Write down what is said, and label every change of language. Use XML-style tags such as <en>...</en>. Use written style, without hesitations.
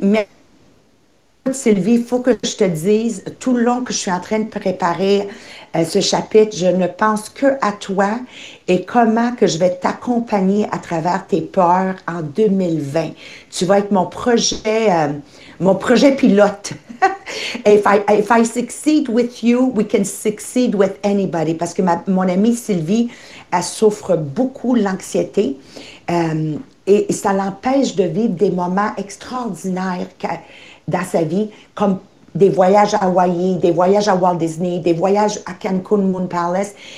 <fr>Mais Sylvie, il faut que je te dise, tout le long que je suis en train de préparer ce chapitre, je ne pense que à toi et comment que je vais t'accompagner à travers tes peurs en 2020. Tu vas être mon projet pilote.</fr> <en>If I succeed with you, we can succeed with anybody.</en> <fr>Parce que mon amie Sylvie, elle souffre beaucoup l'anxiété et ça l'empêche de vivre des moments extraordinaires dans sa vie, comme des voyages à Hawaï, des voyages à Walt Disney, des voyages à Cancun Moon Palace.</fr>